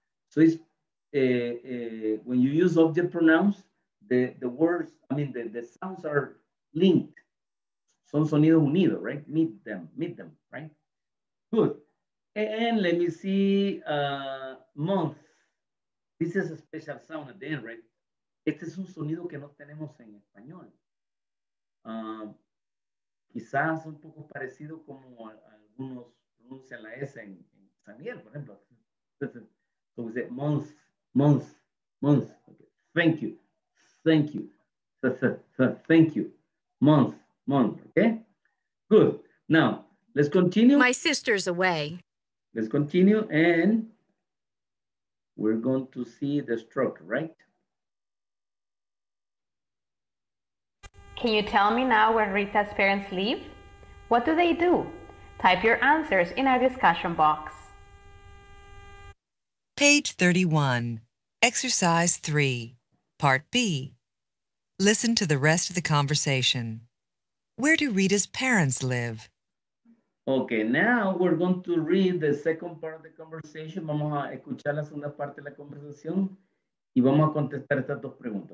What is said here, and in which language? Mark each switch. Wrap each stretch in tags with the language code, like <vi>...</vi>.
<en>So it's when you use object pronouns, the sounds are linked.</en> <es>Son sonido unido,</es> <en>right? Meet them, right? Good. And let me see month. This is a special sound at the end, right?</en> <es>Este es un sonido que no tenemos en español. Quizás un poco parecido como al algunos pronuncian la S en San Miguel, por ejemplo.</es> <en>So we say, months. Okay. Thank you. Thank you. Month. Okay? Good. Now, let's continue. My sister's away. Let's continue, and we're going to see the structure, right? Can you tell me now where Rita's parents live? What do they do? Type your answers in our discussion box. Page 31, Exercise 3, Part B. Listen to the rest of the conversation. Where do Rita's parents live? Okay, now we're going to read the second part of the conversation.</en> <es>Vamos a escuchar la segunda parte de la conversación y vamos a contestar estas dos preguntas.</es>